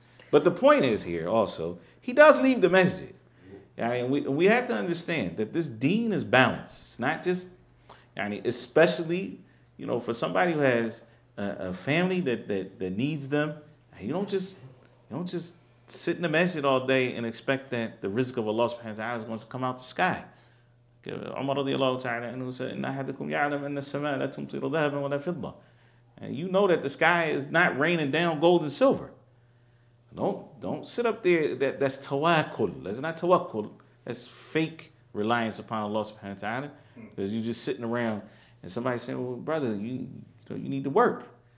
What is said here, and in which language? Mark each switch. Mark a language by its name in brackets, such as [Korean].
[English] But the point is here also, he does leave the masjid. Yeah, and we have to understand that this deen is balanced. It's not just, especially, you know, for somebody who has a family that needs them, you don't just sit in the masjid all day and expect that the rizq of Allah subhanahu wa ta'ala is going to come out the sky. Umar radiallahu ta'ala anhu said, [Arabic] إِنَّ أَحَدَكُمْ يَعْلَمْ أَنَّ السَّمَاءَ لَا تُمْطِرُ ذَهَبًا وَلَا فِضَّةً. [English] You know that the sky is not raining down gold and silver. Don't sit up there. That's tawakkul. That's not tawakkul. That's fake reliance upon Allah subhanahu wa ta'ala. Because you're just sitting around and somebody saying, well, brother, you need to work.